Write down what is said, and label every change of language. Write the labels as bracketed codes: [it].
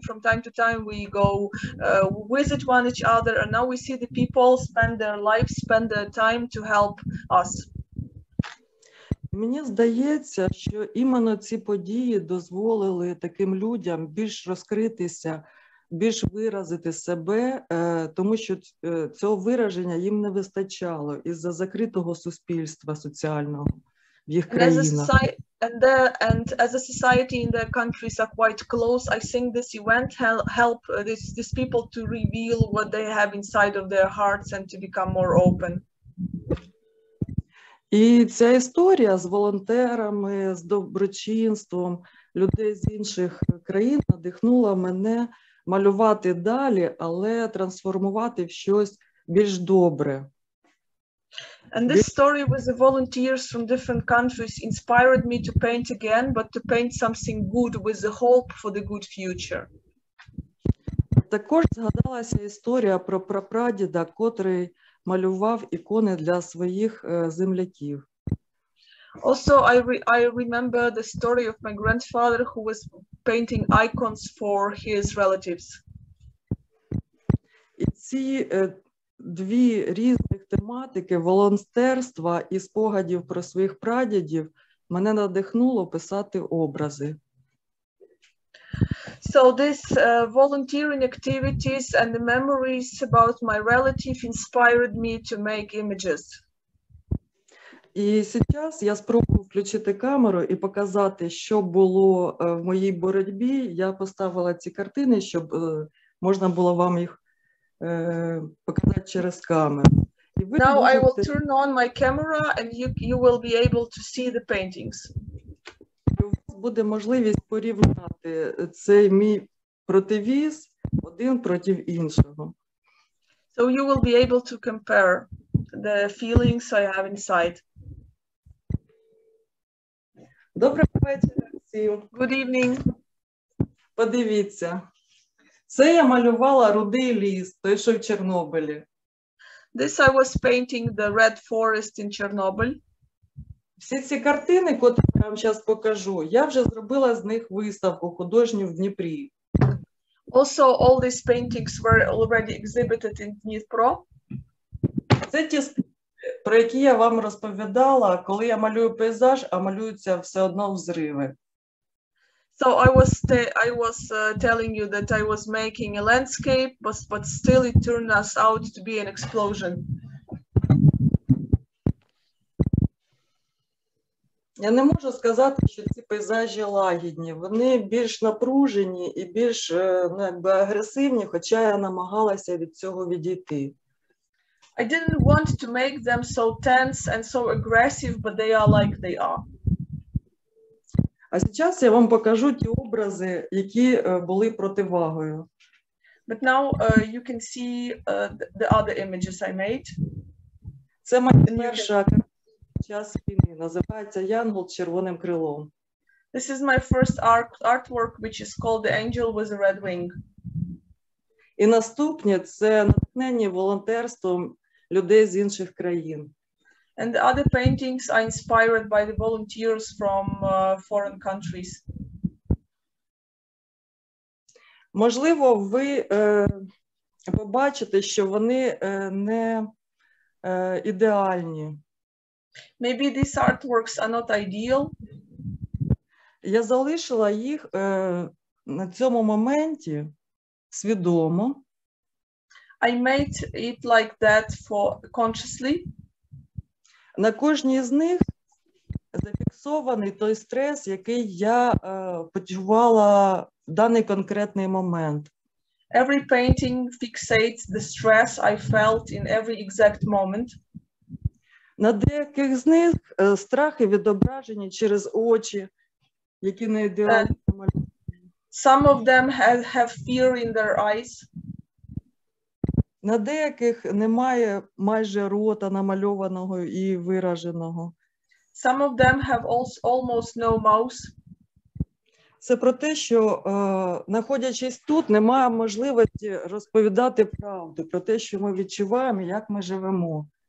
[en] From time to time we go visit one each other, and now we see the people spend their lives, spend their time to help us. [uk] Мені здається, що іменно ці події дозволили таким людям більш розкритися, більш виразити себе, тому що цього вираження їм не вистачало із-за закритого суспільства соціального в їх країнах. [en] And as a society in their countries are quite close, I think this event help these people to reveal what they have inside of their hearts and to become more open. [uk] І ця історія з волонтерами, з доброчинством людей з інших країн надихнула мене малювати далі, але трансформувати в щось більш добре. [en] And this story with the volunteers from different countries inspired me to paint again, but to paint something good with the hope for the good future. [uk] Також згадалася історія про прапрадіда, котрий малював ікони для своїх земляків. [en] Also, I remember the story of my grandfather who was painting icons for his relatives. [uk] І ці дві різних тематики волонтерства і спогадів про своїх прадідів мене надихнуло писати образи. [en] So this volunteering activities and the memories about my relative inspired me to make images. [uk] І зараз я спробую включити камеру і показати, що було в моїй боротьбі. Я поставила ці картини, щоб можна було вам їх показати через камеру. І ви [en] Now [uk] можете... [en] I will turn on my camera and you will be able to see the paintings. [uk] І у вас буде можливість порівняти цей мій противіз один проти іншого. [en] So you will be able to compare the feelings I have inside. [uk] Доброго вечора всім. [en] Good evening. [uk] Подивіться. Це я малювала рудий ліс, той, що в Чорнобилі. [en] This I was painting the red forest in Chernobyl. [uk] Всі ці картини, котрі я вам зараз покажу, я вже зробила з них виставку художню в Дніпрі. [en] Also, all these paintings were already exhibited in Dnipro. [uk] Це ті про які я вам розповідала, коли я малюю пейзаж, а малюються все одно взриви. [en] So I was telling you that I was making a landscape, but still it turned us out to be an explosion. [uk] Я не можу сказати, що ці пейзажі лагідні. Вони більш напружені і більш якби агресивні, хоча я намагалася від цього відійти. [en] I didn't want to make them so tense and so aggressive, but they are like they are. [uk] А зараз я вам покажу ті образи, які були противагою. [en] But now you can see the other images I made. [uk] Це моя перша картина під час війни. Називається «Янгол з червоним крилом». [en] This is my first artwork, which is called The Angel with a Red Wing. [uk] І наступне – це натхнення волонтерством людей з інших країн. [en] And the other paintings are inspired by the volunteers from foreign countries. [uk] Можливо, ви побачите, що вони не ідеальні. [en] Maybe these artworks are not ideal. [uk] Я залишила їх на цьому моменті свідомо. [en] I made it like that for consciously. [uk] На кожній з них зафіксований той стрес, який я почувала в даний конкретний момент. [en] Every painting fixates the stress I felt in every exact moment. [uk] На деяких з них страхи відображені через очі, які не ідеальні. [en] Some of them have fear in their eyes. [uk] На деяких немає майже рота намальованого і вираженого. [en] Some of them have almost no mouth. [uk] Це про те, що знаходячись тут, немає можливості розповідати правду про те, що ми відчуваємо, як ми живемо.